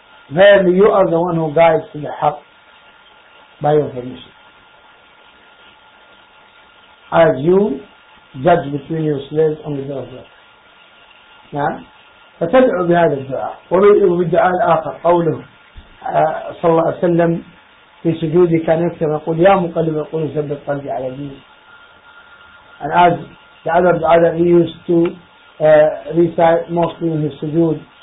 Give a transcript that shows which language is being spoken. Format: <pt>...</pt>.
<en>Then you are the one who guides to the haqq by your permission. As you judge between your slaves on the day of judgment.</en> <ar>نعم. فتدعو بهذا الدعاء. ولو بالدعاء الآخر قوله صلى الله عليه وسلم في سجوده كان يكتب يقول يا مقلب القلوب ثبت قلبي على دينك.</ar> <en>And as the other dua that he used to recite mostly in his sujood.</en>